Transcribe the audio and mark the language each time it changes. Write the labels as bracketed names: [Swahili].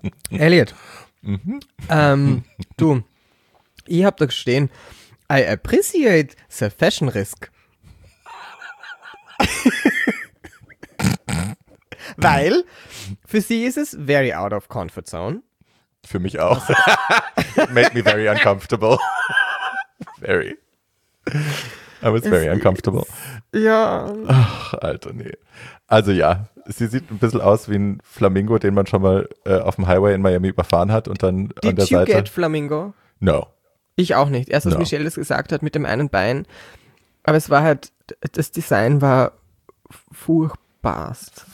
[German] Elliot, du, ich hab da gestehen, [English] I appreciate the fashion risk. [German] Weil für sie ist es [English] very out of comfort zone. [German] Für mich auch. [English] It made me very uncomfortable. Very. I was very uncomfortable. [German] Ja. Ach, Alter, nee. Also ja, sie sieht ein bisschen aus wie ein Flamingo, den man schon mal auf dem Highway in Miami überfahren hat und dann [English] did [German] an der Seite. [English] Did you get Flamingo? No. [German] Ich auch nicht. Erst als Michelle das gesagt hat mit dem einen Bein. Aber es war halt, das Design war furchtbarst.